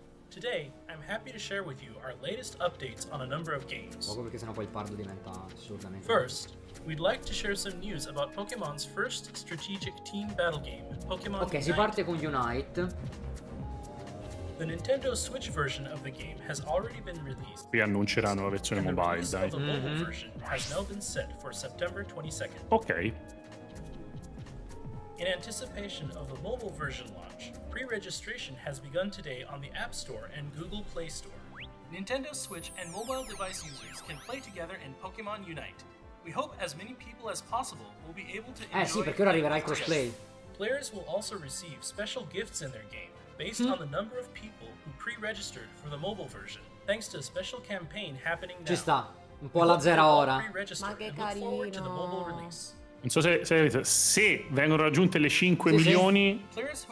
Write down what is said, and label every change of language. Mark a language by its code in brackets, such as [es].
[en] Today I'm happy to share with you our latest updates on a number of games. [it] Poco perché sennò poi il pardo diventa assolutamente. [en] First, we'd like to share some news about Pokemon's first strategic team battle game, Pokemon. [it] Ok, si parte con Unite. [en] The Nintendo Switch version of the game has already been released. [it] Qui annunceranno la versione mobile, dai. [en] Has now been set for September 22nd. Ok. In anticipation of the mobile version launch, pre-registration has begun today on the App Store and Google Play Store. Nintendo Switch and mobile device users can play together in Pokémon Unite. We hope as many people as possible will be able to enjoy. [it] Sì, perché ora arriverà il crossplay. [en] Players will also receive special gifts in their game. Based on the number of people who pre-registered for the mobile version, thanks to a special campaign happening now. [it] Ci sta, un po' alla zero ora. Ma che carino. Non so se vengono raggiunte le 5 sì, milioni, sì.